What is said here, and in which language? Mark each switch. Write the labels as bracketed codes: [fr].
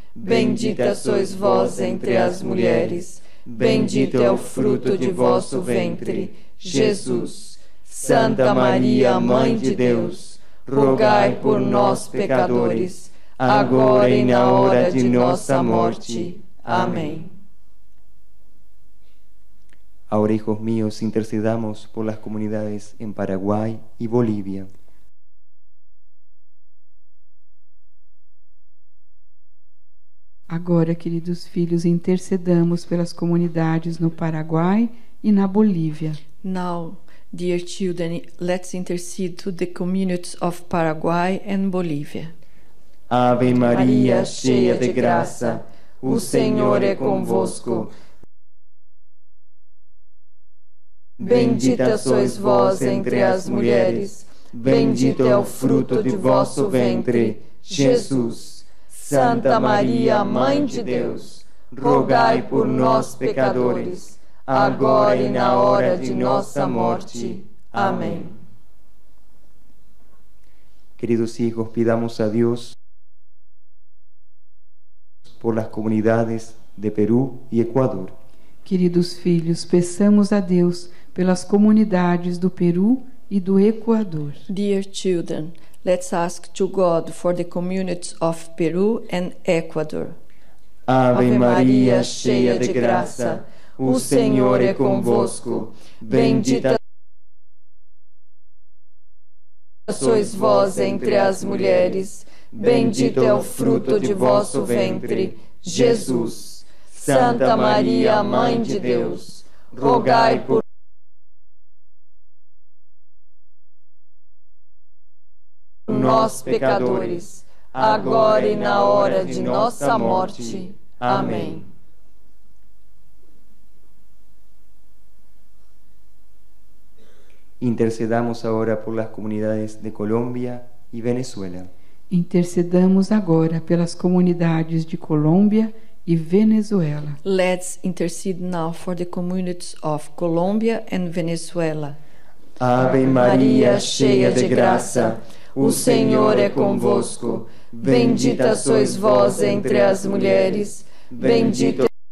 [pt] Bendita sois vós entre as mulheres. Bendito é o fruto de vosso ventre, Jesus. Santa Maria, Mãe de Deus, rogai por nós, pecadores, agora e na hora de nossa morte. Amém. Agora, [es] hijos míos, intercedamos por las comunidades en Paraguay y Bolivia. [pt] Agora, queridos filhos, intercedamos pelas comunidades no Paraguai e na Bolívia. [en] Now, dear children, let's intercede to the communities of Paraguay and Bolivia. [pt] Ave Maria, cheia de graça, o Senhor é convosco. Bendita sois vós entre as mulheres, bendito é o fruto de vosso ventre, Jesus. Santa Maria, Mãe de Deus, rogai por nós, pecadores, agora e na hora de nossa morte. Amém. Queridos filhos, [es] pidamos a Deus por las comunidades de Perú y Ecuador. [pt] Queridos filhos, peçamos a Deus pelas comunidades do Peru e do Equador. [en] Dear children, let's ask to God for the communities of Peru and Ecuador. [pt] Ave Maria, cheia de graça, o Senhor é convosco. Bendita sois vós entre as mulheres, bendito é o fruto de vosso ventre, Jesus. Santa Maria, Mãe de Deus, rogai por nós, pecadores, agora e na hora de nossa morte. Amém. [es] Intercedamos agora por las comunidades de Colômbia e Venezuela. [pt] Intercedamos agora pelas comunidades de Colômbia e Venezuela. [en] Let's intercede now for the communities of Colombia and Venezuela. [pt] Ave Maria, cheia de graça, o Senhor é convosco. Bendita sois vós entre as mulheres. Bendito